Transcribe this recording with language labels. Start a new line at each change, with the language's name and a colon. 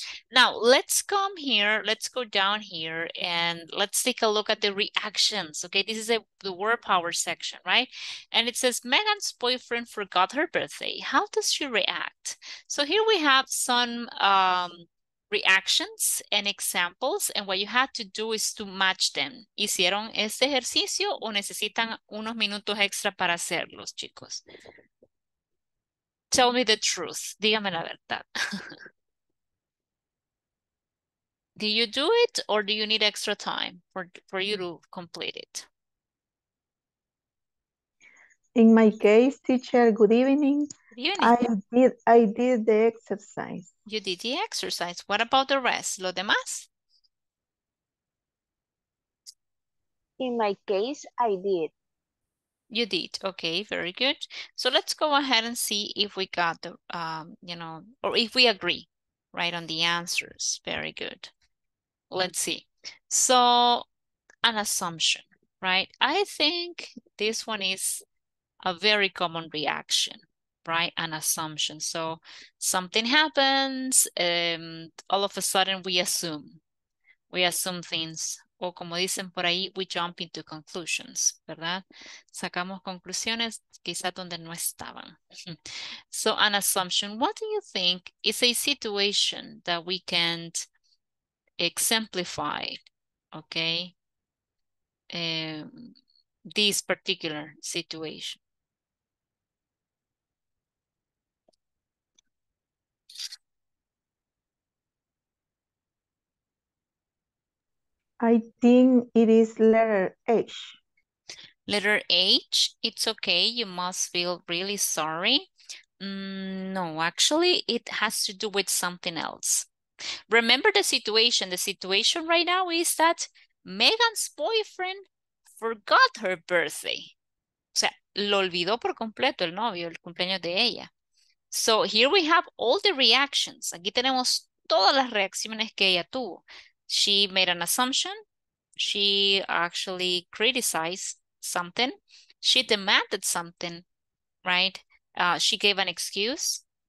English: Now, let's come here, let's go down here, and let's take a look at the reactions, okay? This is the word power section, right? And it says, Megan's boyfriend forgot her birthday. How does she react? So here we have some reactions and examples, and what you have to do is to match them.
Spanish: ¿Hicieron este ejercicio o necesitan unos minutos extra para hacerlos, chicos?
English: Tell me the truth.
Spanish: Dígame la verdad.
English: Do you do it or do you need extra time for you to complete it? In my case, teacher, good evening. Good evening. I did the exercise. You did the exercise. What about the rest?
Spanish: Lo demás?
English: In my case, I did. You did. Okay, very good. So let's go ahead and see if we got the, you know, or if we agree, right, on the answers. Very good. Let's see. So an assumption, right? I think this one is a very common reaction, right? An assumption. So something happens and all of a sudden we assume. We assume things.
Spanish: O como dicen por ahí,
English: we jump into conclusions,
Spanish: ¿verdad? Sacamos conclusiones quizás donde no estaban.
English: So an assumption. What do you think is a situation that we can't exemplify, okay, this particular situation? I think it is letter H. Letter H, it's okay, you must feel really sorry. No, actually, it has to do with something else. Remember the situation. The situation right now is that Megan's boyfriend forgot her birthday.
Spanish: O sea, lo olvidó por completo el novio, el cumpleaños de ella.
English: So here we have all the reactions.
Spanish: Aquí tenemos todas las reacciones que ella tuvo.
English: She made an assumption. She actually criticized something. She demanded something, right? She gave an excuse.